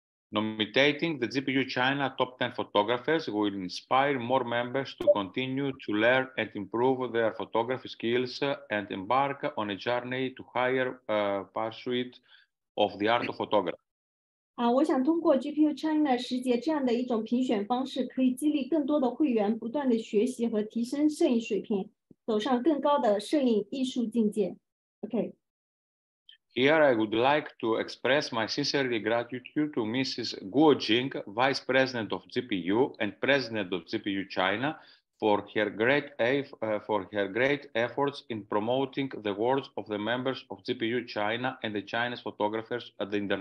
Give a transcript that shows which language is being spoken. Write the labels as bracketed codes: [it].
[en] Nominating the GPU China Top 10 Photographers will inspire more members to continue to learn and improve their photography skills and embark on a journey to higher pursuit of the art of photography. [zh] 我想通过 GPU China 十节这样的一种评选方式，可以激励更多的会员不断的学习和提升摄影水平，走上更高的摄影艺术境界。OK。 [en] Here I would like to express my sincere gratitude to Mrs. Goh Kim Hui, Vice President of GPU and President of GPU China, for her great efforts in promoting the works of the members of GPU China and the Chinese photographers at the